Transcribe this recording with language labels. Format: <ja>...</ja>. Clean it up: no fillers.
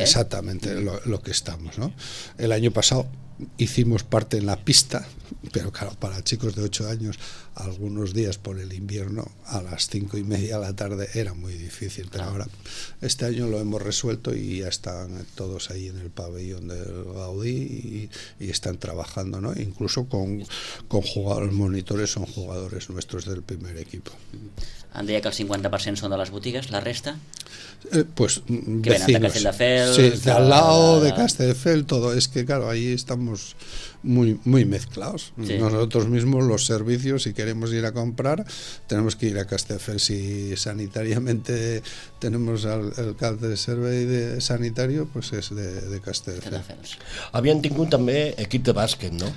<es>Exactamente, lo que estamos, ¿no? El año pasado hicimos parte en la pista, pero claro, para chicos de 8 años, algunos días por el invierno a las 5:30 de la tarde era muy difícil, pero ahora este año lo hemos resuelto y ya están todos ahí en el pabellón del Gaudí y están trabajando, ¿no? Incluso con jugadores, monitores son jugadores nuestros del primer equipo.</es> <ca>Em deia que el 50% són de les botigues, la resta?</ca> <es>Pues que venen vecinos. De Castelldefels... Sí, de al lado de Castelldefels, todo. Es que, claro, ahí estamos muy, muy mezclados. Sí. Nosotros mismos, los servicios, si queremos ir a comprar, tenemos que ir a Castelldefels. Si sanitariamente tenemos el alcalde</es> <ca>de servei</ca> <es>de sanitario, pues es de Castelldefels.</es> <ca>Havien tingut també equip de bàsquet, no?</ca>